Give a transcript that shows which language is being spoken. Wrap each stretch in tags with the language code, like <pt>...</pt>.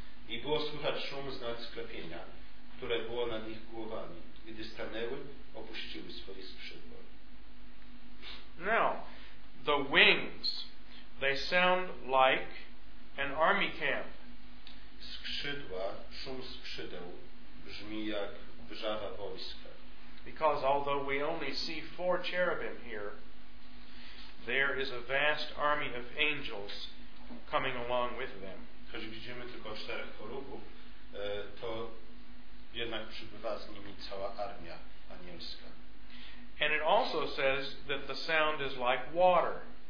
<pl>I było słychać szum z nad sklepienia, które było nad ich głowami. Gdy stanęły, opuściły swoje skrzydła.</pl> <en>Now, the wings, they sound like an army camp.</en> <pl>Skrzydła, szum skrzydeł, brzmi jak wrzawa wojska.</pl> <en>Because although we only see four cherubim here, there is a vast army of angels coming along with them.</en> <pl>Choć widzimy tylko czterech chorubów, to jednak przybywa z nimi cała armia anielska.</pl> <en>And it also says that the sound is like water.</en>